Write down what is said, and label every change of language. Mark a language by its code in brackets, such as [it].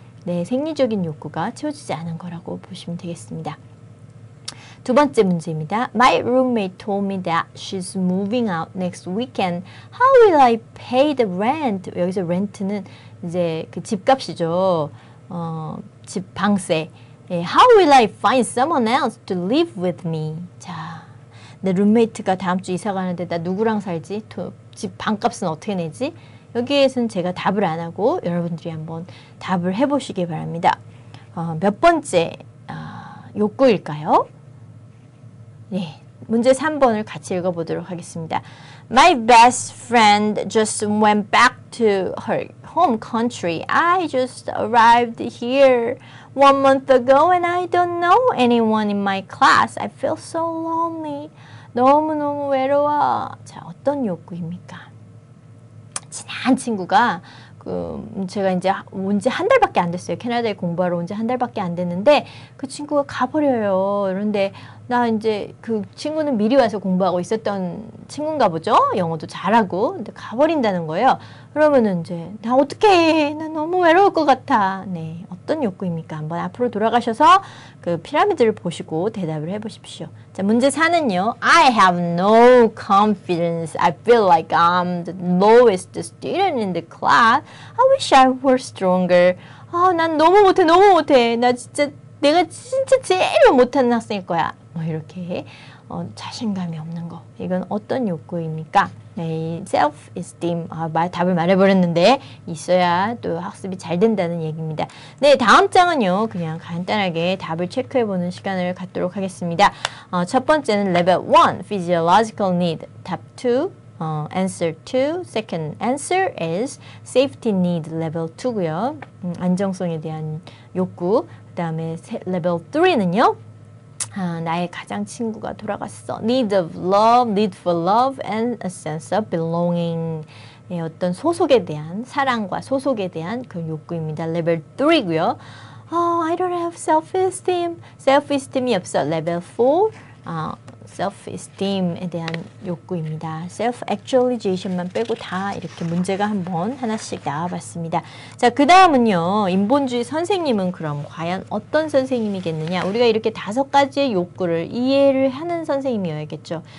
[ko] 네, 생리적인 욕구가 채워지지 않은 거라고 보시면 되겠습니다. 두 번째 문제입니다. [en] My roommate told me that she's moving out next weekend. How will I pay the rent? [ko] 여기서 rent는 이제 그 집값이죠. 집 방세. [en] How will I find someone else to live with me? [ko] 자, 내 룸메이트가 다음 주 이사 가는데 나 누구랑 살지? 집 방값은 어떻게 내지? 여기에서는 제가 답을 안 하고 여러분들이 한번 답을 해보시기 바랍니다. 몇 번째 욕구일까요? 네, 문제 3번을 같이 읽어보도록 하겠습니다. [en] My best friend just went back to her home country. I just arrived here. One month ago and I don't know anyone in my class. I feel so lonely. [ko] 너무너무 외로워. 자, 어떤 욕구입니까? 친한 친구가 제가 이제 온 지 한 달밖에 안 됐어요. 캐나다에 공부하러 온 지 한 달밖에 안 됐는데 그 친구가 가버려요. 그런데 나 이제 그 친구는 미리 와서 공부하고 있었던 친구인가 보죠. 영어도 잘하고. 근데 가버린다는 거예요. 그러면은 이제 나 어떡해. 나 너무 외로울 것 같아. 네. 어떤 욕구입니까? 한번 앞으로 돌아가셔서 그 피라미드를 보시고 대답을 해 보십시오. 자, 문제 4는요. [en] I have no confidence. I feel like I'm the lowest student in the class. I wish I were stronger. [ko] 아, 난 너무 못해. 너무 못해. 나 진짜 내가 진짜 제일 못하는 학생일 거야. 뭐 이렇게 자신감이 없는 거. 이건 어떤 욕구입니까? 네, self-esteem. 답을 말해버렸는데 있어야 또 학습이 잘 된다는 얘기입니다. 네, 다음 장은요. 그냥 간단하게 답을 체크해보는 시간을 갖도록 하겠습니다. 첫 번째는 level 1, physiological need. 답 2, answer 2. [en] Second answer is safety need, level 2고요. [ko] 안정성에 대한 욕구. 그 다음에 level 3는요. 나의 가장 친구가 돌아갔어. [en] Need of love, need for love, and a sense of belonging. [ko] 네, 어떤 소속에 대한, 사랑과 소속에 대한 그 욕구입니다. Level 3고요. [en] Oh, I don't have self-esteem. [ko] Self-esteem이 없어. Level 4, self-esteem에 대한 욕구입니다. Self-actualization만 빼고 다 이렇게 문제가 한번 하나씩 나와봤습니다. 자, 그 다음은요. 인본주의 선생님은 그럼 과연 어떤 선생님이겠느냐? 우리가 이렇게 다섯 가지의 욕구를 이해를 하는 선생님이어야겠죠.